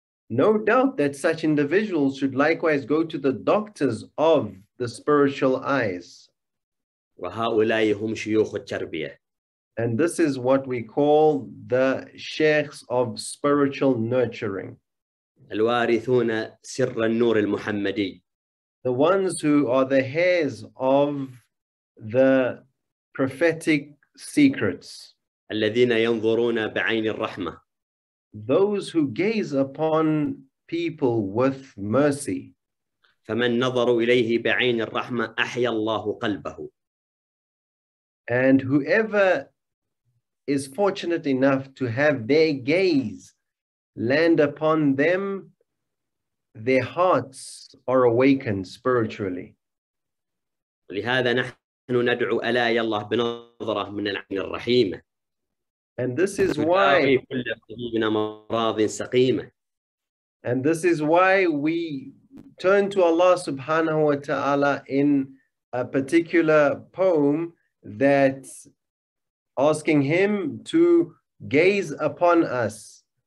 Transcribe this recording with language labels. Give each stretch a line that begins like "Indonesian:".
English: No doubt that such individuals should likewise go to the doctors of the spiritual eyes.
Arabic: وهؤلاء هم شيوخ التربية.
English: And this is what we call the sheikhs of spiritual nurturing.
Arabic: الوارثون سر النور المحمدي.
English: The ones who are the heirs of the prophetic secrets.
Arabic: الذين ينظرون بعين الرحمة.
English: Those who gaze upon people with mercy.
Arabic: فمن نظر إليه بعين الرحمة أحيا الله قلبه.
English: And whoever is fortunate enough to have their gaze land upon them, their hearts are awakened spiritually.
Arabic: لهذا نحن ندعو ألا يا الله بنظرة من العين الرحيمة.
English: And this is why
Arabic: كل قلوبنا مراض سقيمة.
English: And this is why we turn to Allah subhanahu wa ta'ala in a particular poem that asking him to gaze upon us.